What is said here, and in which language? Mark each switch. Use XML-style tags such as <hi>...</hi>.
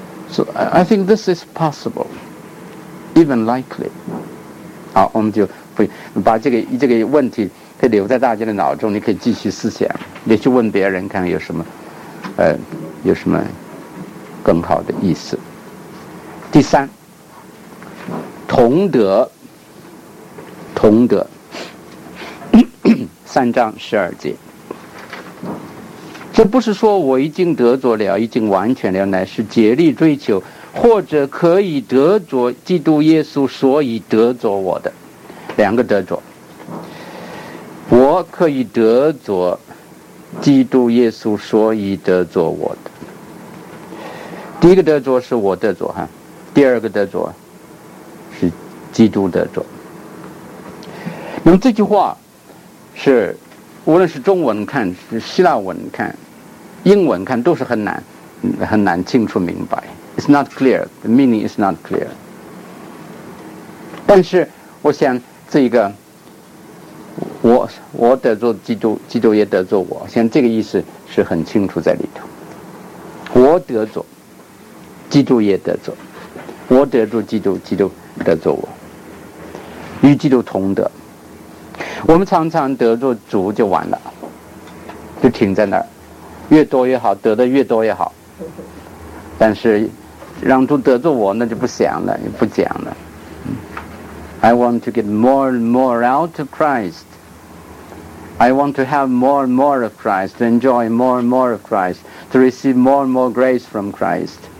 <en>So I think this is possible, even likely。</en> <zh>好，我们就把这个问题可以留在大家的脑中，你可以继续思想，你去问别人看有什么有什么更好的意思。第三，同德三章十二节，这不是说我已经得着了，已经完全了，乃是竭力追求，或者可以得着基督耶稣所以得着我的。两个得着，我可以得着基督耶稣所以得着我的。第一个得着是我得着哈，第二个得着是基督得着。那么这句话是无论是中文看，是希腊文看，英文看，都是很难清楚明白。</zh> <en>It's not clear, the meaning is not clear。</en> <zh>但是我想这个我得着基督，基督也得着我，像这个意思是很清楚在里头。我得着基督也得着，我得着基督，基督得着我，与基督同得。我们常常得着主就完了，就停在那儿，越多越好，得的越多越好，但是让主得着我那就不想了，也不讲了。</zh> <en>I want to get more and more out of ChristI want to have more and more of Christ, to enjoy more and more of Christ, to receive more and more grace from Christ.</en>